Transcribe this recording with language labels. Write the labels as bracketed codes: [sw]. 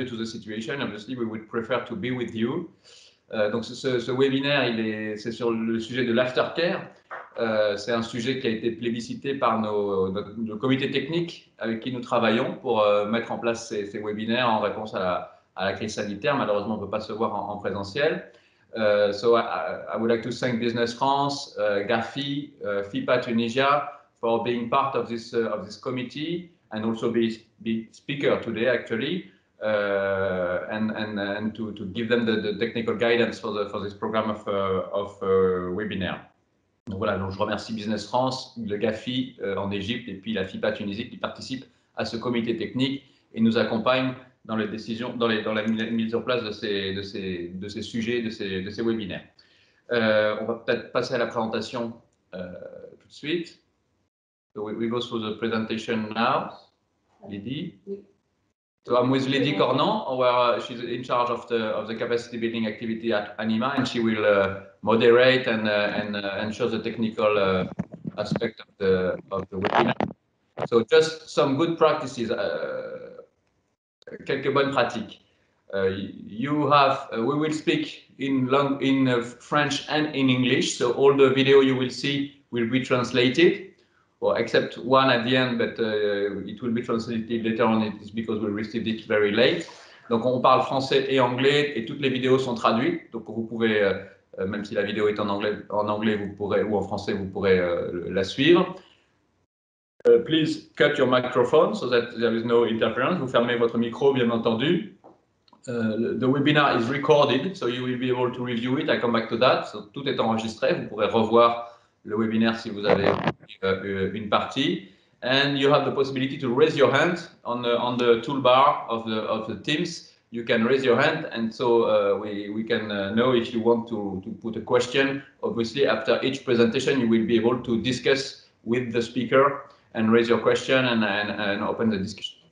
[en] Due to the situation, obviously, we would prefer to be with you. [fr] Donc ce webinaire, c'est sur le sujet de l'aftercare. C'est un sujet qui a été plébiscité par notre comité technique avec qui nous travaillons pour mettre en place ces webinaires en réponse à la crise sanitaire. Malheureusement, on ne peut pas se voir en présentiel. [en] So I would like to thank Business France, GAFI, FIPA Tunisia for being part of this committee and also be speaker today actually, and to give them the technical guidance for this program of webinar. [fr] Donc voilà, donc je remercie Business France, le GAFI en Égypte et puis la FIPA Tunisie qui participe à ce comité technique et nous accompagne dans les décisions, dans la mise en place de ces sujets, de ces webinaires. On va peut-être passer à la présentation tout de suite. [en] So we go through the presentation now, Lydie. So I'm with Lydie Cornan, where she's in charge of the capacity building activity at ANIMA, and she will moderate and show the technical aspect of the webinar. So just some good practices. [fr] Quelques bonnes pratiques. [en] We will speak in French and in English, so all the video you will see will be translated, or except one at the end, but it will be translated later on. It's because we received it very late. [fr] Donc on parle français et anglais et toutes les vidéos sont traduites. Donc vous pouvez, même si la vidéo est en anglais, vous pourrez ou en français, vous pourrez la suivre. [en] Please cut your microphone so that there is no interference. [fr] Vous fermez votre micro, bien entendu. [en] The webinar is recorded, so you will be able to review it. I come back to that. [fr] So, tout est enregistré. Vous pourrez revoir le webinaire si vous avez une partie. [en] And you have the possibility to raise your hand on the toolbar of the Teams. You can raise your hand, and so we can know if you want to put a question. Obviously, after each presentation, you will be able to discuss with the speaker and raise your question and open the discussion.